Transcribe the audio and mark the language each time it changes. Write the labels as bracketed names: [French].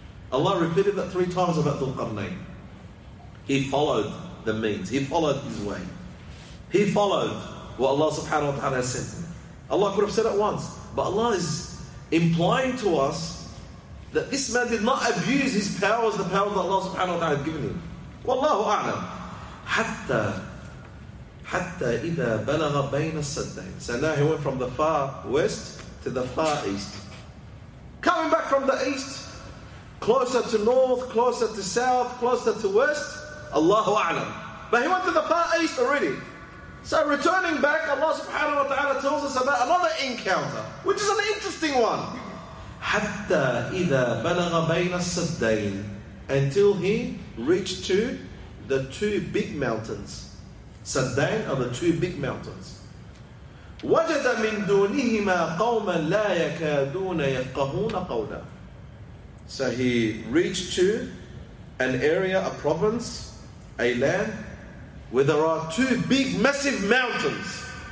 [English] Allah repeated that three times about Dhulqarnain. He followed the means. He followed his way. He followed what Allah subhanahu wa ta'ala has sent him. Allah could have said it once, but Allah is implying to us that this man did not abuse his powers, the power that Allah subhanahu wa ta'ala had given him. Wallahu a'lam. [Arabic] Hatta إِذَا بَلَغَ بَيْنَ السَّدَّيْنِ. [English] So now he went from the far west to the far east. Coming back from the east, closer to north, closer to south, closer to west, Allahu A'lam. But he went to the far east already. So returning back, Allah subhanahu wa ta'ala tells us about another encounter, which is an interesting one. [Arabic] Hatta إِذَا بَلَغَ بَيْنَ السَّدَّيْنِ. [English] Until he reached to the two big mountains. Saddain are the two big mountains. [Arabic] وَجَدَ مِن دُونِهِمَا قَوْمًا لَا يَكَادُونَ يَفْقَهُونَ قَوْلًا. [English] So he reached to an area, a province, a land, where there are two big, massive mountains.